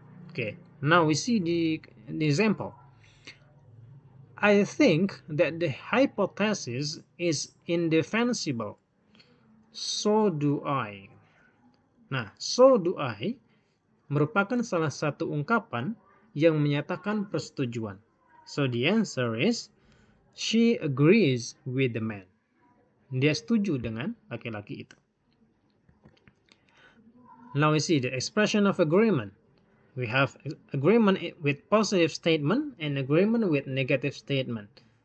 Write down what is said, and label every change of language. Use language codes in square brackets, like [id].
[en] Okay, now we see the example. I think that the hypothesis is indefensible. So do I. [id] Nah, [en] so do I [id] merupakan salah satu ungkapan yang menyatakan persetujuan. [en] So the answer is, she agrees with the man. [id] Dia setuju dengan laki-laki itu. [en] Now we see the expression of agreement. We have agreement with positive statement and agreement with negative statement.